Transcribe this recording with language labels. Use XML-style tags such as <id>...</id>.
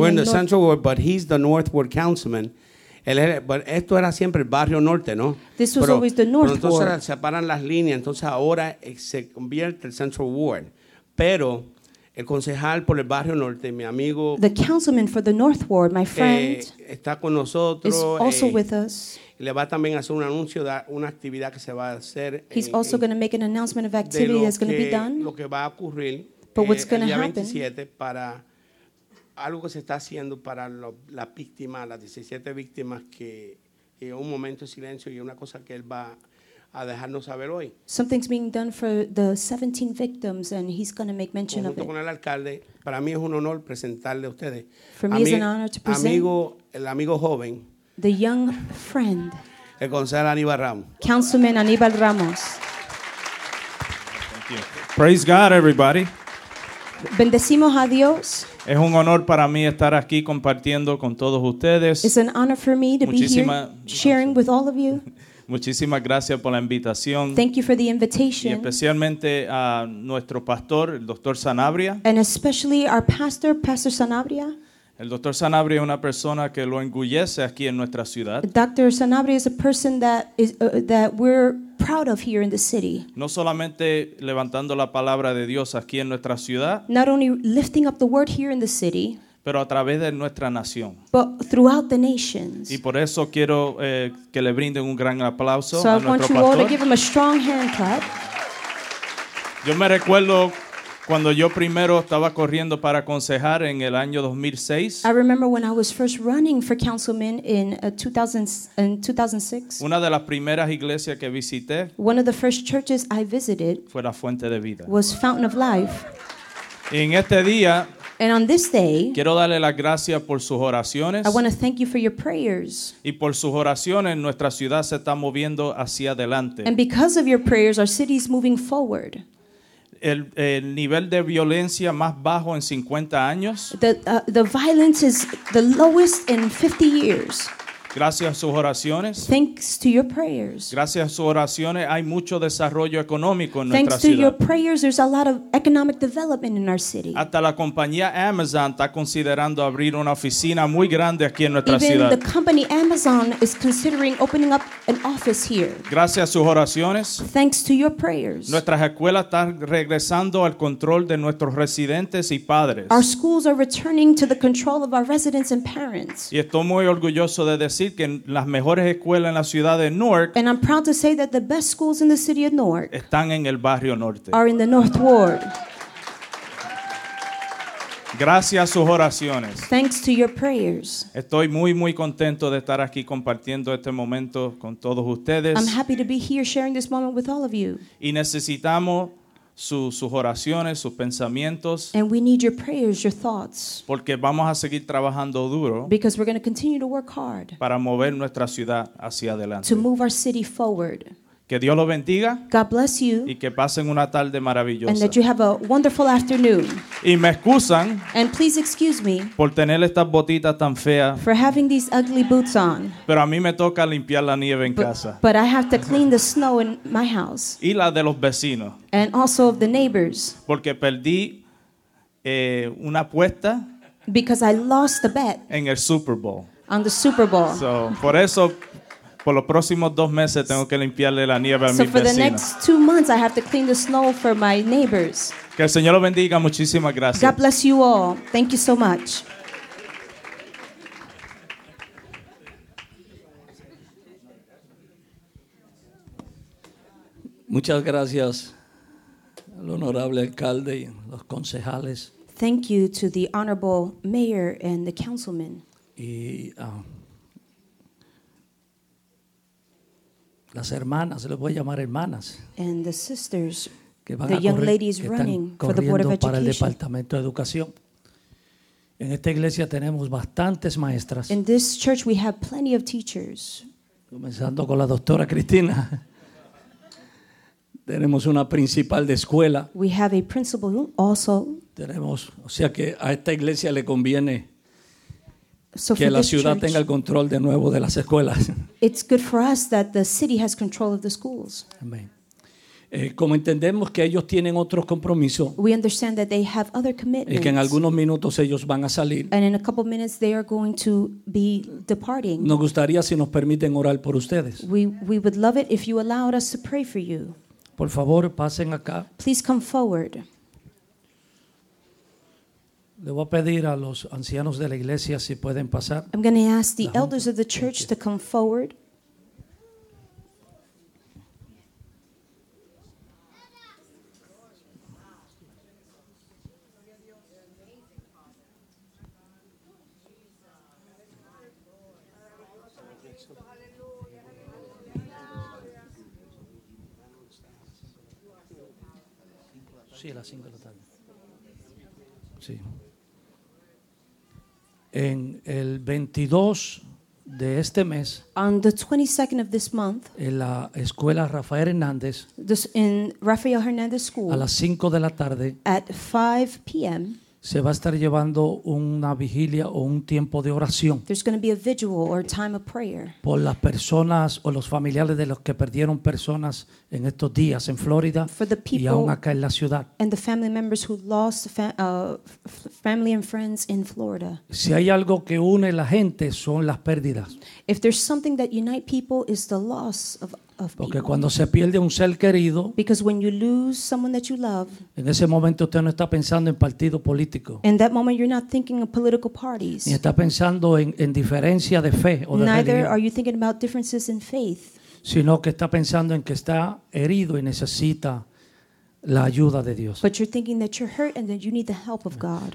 <en>we're in the Central Ward, but he's the North Ward councilman.</en> <es>Pero esto era siempre el barrio norte, ¿no?</es> <en>This was</en> <es>pero,</es> <en>always the North Ward.</en> <es>Entonces se separan las líneas, entonces ahora se convierte el Central Ward. Pero el concejal por el barrio norte, mi amigo...</es> <en>The councilman for the North Ward, my friend...</en> <es>Está con nosotros.</es> <en>Is also with us.</en> <es>Le va también a hacer un anuncio de una actividad que se va a hacer...</es> <en>He's also going to make an announcement of activity that's going to be done.</en> <es>Lo que va a ocurrir...</es> <en>But what's going to happen...</en> <es>El día 27 para... Algo que se está haciendo para las víctimas, las 17 víctimas que en un momento de silencio y una cosa que él va a dejarnos saber hoy.</es> <en>Something's being done for the 17 victims and he's going to make mention of it.</en> <es>Con el alcalde, para mí es un honor presentarle a ustedes.</es> <en>For me, it's an honor to present</en> <es>amigo, el amigo joven,</es> <en>the young friend,</en> <es>el concejal Aníbal Ramos.</es> <en>Councilman Aníbal Ramos. Thank you. Praise God, everybody.</en> <es>Bendecimos a Dios. Es un honor para mí estar aquí compartiendo con todos ustedes.</es> <en>It's an honor for me to be here sharing with all of you.</en> <es>Muchísimas gracias por la invitación.</es> <en>Thank you for the invitation.</en> <es>Y especialmente a nuestro pastor, el Dr. Sanabria.</es> <en>And especially our pastor, Pastor Sanabria.</en> <es>El Dr. Sanabria es una persona que lo engullece aquí en nuestra ciudad.</es> <en>Dr. Sanabria is a person that is that we're proud of here in the city.</en> <es>No solamente levantando la palabra de Dios aquí en nuestra ciudad.</es> <en>Not only lifting up the word here in the city.</en> <es>Pero a través de nuestra nación.</es> <en>But throughout the nations.</en> <es>Y por eso quiero que le brinden un gran aplauso</es> <en>so a I</en> <es>nuestro pastor.</es> <en>So I want you all to give him a strong hand clap.</en> <es>Yo me recuerdo cuando yo primero estaba corriendo para concejar en el año 2006.</es> <en>I remember when I was first running for councilman in 2006.</en> <es>Una de las primeras iglesias que visité.</es> <en>One of the first churches I visited.</en> <es>Fue la Fuente de Vida.</es> <en>Was Fountain of Life.</en> <es>Y en este día.</es> <en>And on this day.</en> <es>Quiero darle las gracias por sus oraciones.</es> <en>I want to thank you for your prayers.</en> <es>Y por sus oraciones nuestra ciudad se está moviendo hacia adelante.</es> <en>And because of your prayers our city is moving forward.</en> <es>El nivel de violencia más bajo en 50 años.</es> <en>The violence is the lowest in 50 years.</en> <es>Gracias a sus oraciones.</es> <en>Thanks to your prayers.</en> <es>Gracias a sus oraciones hay mucho desarrollo económico en</es> <en>Thanks Thanks to your prayers there's a lot of economic development in our city.</en> <es>Hasta la compañía Amazon está considerando abrir una oficina muy grande aquí en nuestra</es> <en>Even</en> <es>ciudad.</es> <en>Even the company Amazon is considering opening up an office here.</en> <es>Gracias a sus oraciones.</es> <en>Thanks to your prayers.</en> <es>Nuestras escuelas están regresando al control de nuestros residentes y padres.</es> <en>Our schools are returning to the control of our residents and parents.</en> <es>Y estoy muy orgulloso de decir que las mejores escuelas en la ciudad de Newark</es> <en>and I'm proud to say that the best schools in the city of Newark</en> <es>están en el barrio norte</es> <en>are in the North Ward.</en> <es>Gracias a sus oraciones.</es> <en>Thanks to your prayers.</en> <es>Estoy muy muy contento de estar aquí compartiendo este momento con todos ustedes.</es> <en>I'm happy to be here sharing this moment with all of you.</en> <es>Y necesitamos sus oraciones, sus pensamientos.</es> <en>And we need your prayers, your thoughts.</en> <es>Porque vamos a seguir trabajando duro.</es> <en>Because we're going to continue to work hard.</en> <es>Para mover nuestra ciudad hacia adelante.</es> <en>To move our city forward.</en> <es>Que Dios lo bendiga.</es> <en>God bless you.</en> <es>Y que pasen una tarde maravillosa.</es> <en>And that you have a wonderful afternoon.</en> <es>Y me excusan.</es> <en>And please excuse me.</en> <es>Por tener estas botitas tan feas.</es> <en>For having these ugly boots on.</en> <es>Pero a mí me toca limpiar la nieve en casa.</es> <en>But I have to clean the snow in my house.</en> <es>Y la de los vecinos.</es> <en>And also of the neighbors.</en> <es>Porque perdí una apuesta.</es> <en>Because I lost the bet.</en> <es>En el Super Bowl.</es> <en>On the Super Bowl.</en> <es>So, por eso... Por los próximos dos meses tengo que limpiarle la nieve a mis vecinos.</es> <en>So for the next 2 months I have to clean the snow for my neighbors.</en> <es>Que el Señor lo bendiga. Muchísimas gracias.</es> <en>God bless you all. Thank you so much.</en> <es>Muchas gracias, el honorable alcalde y los concejales.</es> <en>Thank you to the honorable mayor and the councilman.</en> <es>Y las hermanas, se les voy a llamar hermanas.</es> <en>And the sisters,</en> <es>que van</es> <en>the a young</en> <es>correr,</es> <en>ladies running for the Board of Education.</en> <es>Para el Departamento de Educación. En esta iglesia tenemos bastantes maestras.</es> <en>In this church we have plenty of teachers.</en> <es>Comenzando con la doctora Cristina. Tenemos una principal de escuela.</es> <en>We have a principal also.</en> <es>Tenemos, o sea que a esta iglesia le conviene que la ciudad tenga el control de nuevo de las escuelas.</es> <en>It's good for us that the city has control of the schools.</en> <es>Amén. Como entendemos que ellos tienen otros compromisos.</es> <en>We understand that they have other commitments.</en> <es>Y que en algunos minutos ellos van a salir.</es> <en>And in a couple minutes they are going to be departing.</en> <es>Nos gustaría si nos permiten orar por ustedes.</es> <en>We would love it if you allowed us to pray for you.</en> <es>Por favor, pasen acá.</es> <en>Please come forward.</en> <es>Le voy a pedir a los ancianos de la iglesia si pueden pasar.</es> <en>I'm going to ask the elders of the church to come forward.</en> <es>Sí, a las 5 de la tarde. Sí. En el 22 de este mes.</es> <en>On the 22nd of this month.</en> <es>En la escuela Rafael Hernández.</es> <en>In Rafael Hernández School.</en> <es>A las 5 de la tarde.</es> <en>At 5 p.m.</en> <es>Se va a estar llevando una vigilia o un tiempo de oración.</es> <en>There's going to be a vigil or time of prayer.</en> <es>Por las personas o los familiares de los que perdieron personas en estos días en Florida.</es> <en>For the people</en> <es>y aún acá en la ciudad.</es> <en>And the family members who lost family and friends in Florida.</en> <es>Si hay algo que une a la gente son las pérdidas.</es> <en>If there's something that unites people is the loss of</en> <es>Porque cuando se pierde un ser querido,</es> <en>because when you lose someone that you love,</en> <es>en ese momento usted no está pensando en partido político.</es> <en>In that moment you're not thinking of political parties.</en> <es>Ni está pensando en diferencia de fe o de</es> <en>Neither</en> <es>religión.</es> <en>Are you thinking about differences in faith.</en> <es>Sino que está pensando en que está herido y necesita la ayuda de Dios.</es> <en>But you're thinking that you're hurt and that you need the help of God.</en>